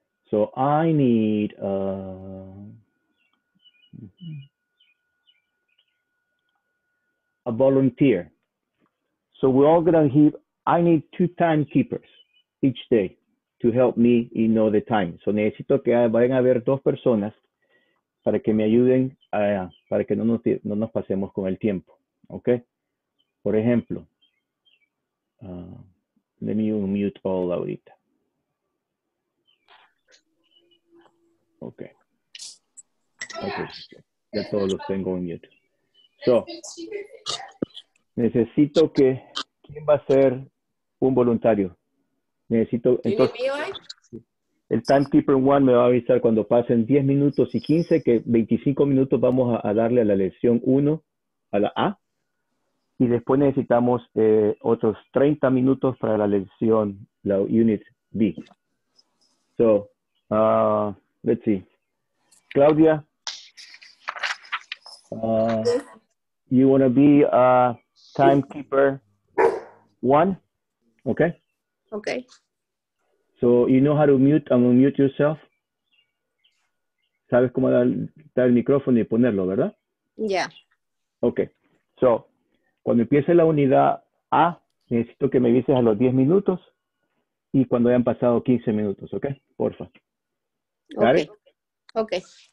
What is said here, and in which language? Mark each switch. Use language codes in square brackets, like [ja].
[en] So I need, a volunteer. So we're all gonna keep, I need two timekeepers each day to help me in know the time. [es] So necesito que vayan a ver dos personas para que me ayuden a, para que no nos pasemos con el tiempo. Okay. Por ejemplo, [en] let me unmute all [es] ahorita. Okay. Ya todos los tengo en mute. So, necesito que, ¿quién va a ser un voluntario? Necesito, entonces, el timekeeper one me va a avisar cuando pasen 10 minutos y 15, que 25 minutos vamos a darle a la lección 1, a la A, y después necesitamos otros 30 minutos para la lección, la unit B. [en] So, let's see. Claudia, you want to be a timekeeper one? Okay. Okay. So you know how to mute and unmute yourself? [es] Sabes cómo dar el micrófono y ponerlo, ¿verdad? [en] Yeah. Okay. [es] So cuando empiece la unidad A, necesito que me avises a los 10 minutos y cuando hayan pasado 15 minutos, ¿okay? Porfa. [en] Okay. Okay.